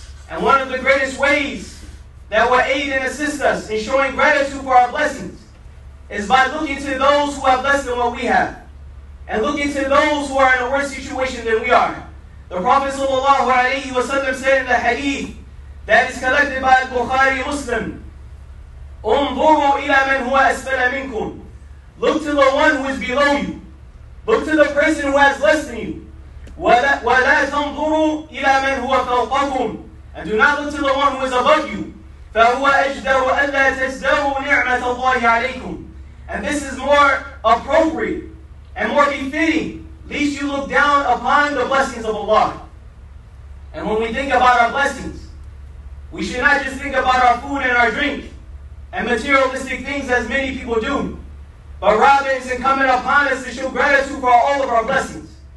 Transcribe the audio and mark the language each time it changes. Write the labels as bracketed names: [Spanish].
[English] And one of the greatest ways that will aid and assist us in showing gratitude for our blessings is by looking to those who have less than what we have, and looking to those who are in a worse situation than we are. The Prophet sallallahu alayhi wa sallam said in the hadith that is collected by Al-Bukhari Muslim, [Arabic] انظروا إلى من هو أسفل منكم. [English] Look to the one who is below you. Look to the person who has less than you. [Arabic] ولا تنظروا إلى من هو فوقكم. [English] And do not look to the one who is above you. [Arabic] فهو أجدر ألا تزدروا نعمة الله عليكم. [English] And this is more appropriate and more befitting, lest you look down upon the blessings of Allah. And when we think about our blessings, we should not just think about our food and our drink and materialistic things as many people do, but rather it's incumbent upon us to show gratitude for all of our blessings.